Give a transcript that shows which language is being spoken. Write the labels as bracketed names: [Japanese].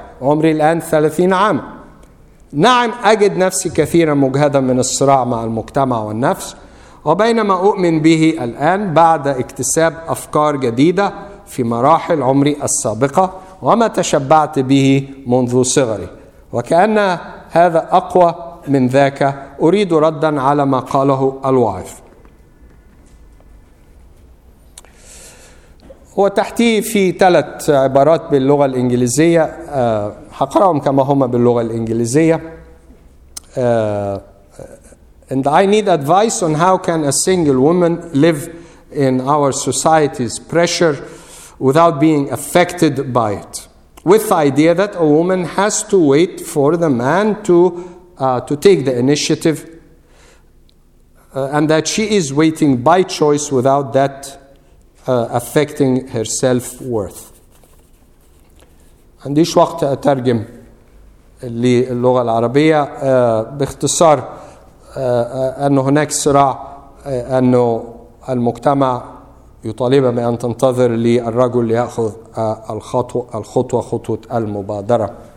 [Arabic] عمري الآن 30 عاما. نعم أجد نفسي كثيرا مجهدا من الصراع مع المجتمع والنفس، وبينما أؤمن به الآن بعد اكتساب أفكار جديدة في مراحل عمري السابقة وما تشبعت به منذ صغري، وكأن هذا أقوى من ذاك. أريد ردا على ما قاله الوعظ. هو تحتي في 3 عبارات باللغة الإنجليزية، هقرأهم كما هما باللغة الإنجليزية. [English] And I need advice on how can a single woman live in our society's pressure without being affected by it, with the idea that a woman has to wait for the man to take the initiative, and that she is waiting by choice without that affecting her self-worth. [Arabic] عنديش وقت أترجم للغة العربية. باختصار أنه هناك صراع، أنه المجتمع يطالب بأن تنتظر للرجل ليأخذ الخطوة المبادرة.